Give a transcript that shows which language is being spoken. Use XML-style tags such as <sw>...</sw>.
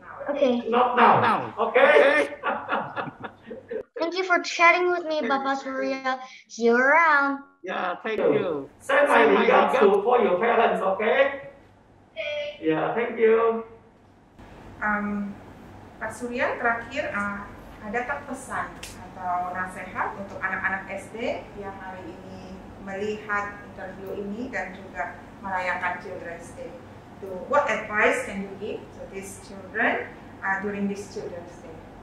<en>Okay. Not now. Okay. Thank you for chatting with me, Papa Surya. See you around. Yeah, thank you. Send my regards to for your parents, okay? Okay. Yeah, thank you.</en> <id>Pak Surya, terakhir, ada tak pesan atau nasihat untuk anak-anak SD yang hari ini melihat interview ini dan juga merayakan Children's Day?</id> <en>What advice can you give to these children during this Children's Day?</en>